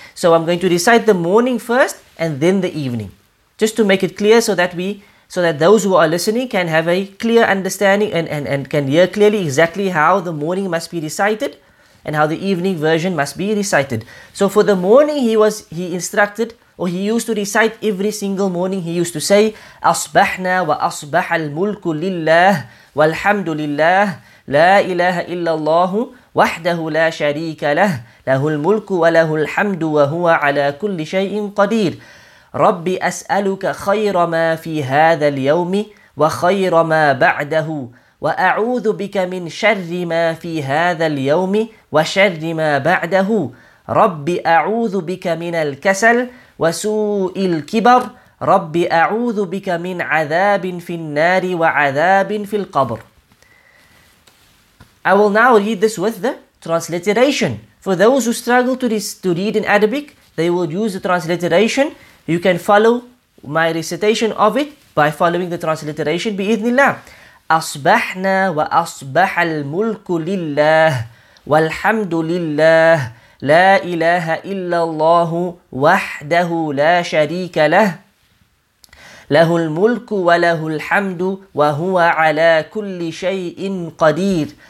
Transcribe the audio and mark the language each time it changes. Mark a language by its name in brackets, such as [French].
[English] So I'm going to recite the morning first and then the evening. Just to make it clear so that those who are listening can have a clear understanding and can hear clearly exactly how the morning must be recited and how the evening version must be recited. So for the morning he used to recite every single morning. He used to say, [Arabic] أصبحنا وأصبح الملك لله والحمد لله لا إله إلا الله وحده لا شريك له له الملك وله الحمد وهو على كل شيء قدير ربي أسألك خير ما في هذا اليوم وخير ما بعده وأعوذ بك من شر ما في هذا اليوم وشر ما بعده ربي أعوذ بك من الكسل وسوء الكبر ربي أعوذ بك من عذاب في النار وعذاب في القبر. [English] I will now read this with the transliteration. For those who struggle to read in Arabic, they will use the transliteration. You can follow my recitation of it by following the transliteration, bi'idhnillah. [Arabic] أصبحنا وأصبح الملك لله والحمد لله لا إله إلا الله وحده لا شريك له له الملك وله الحمد وهو على كل شيء قدير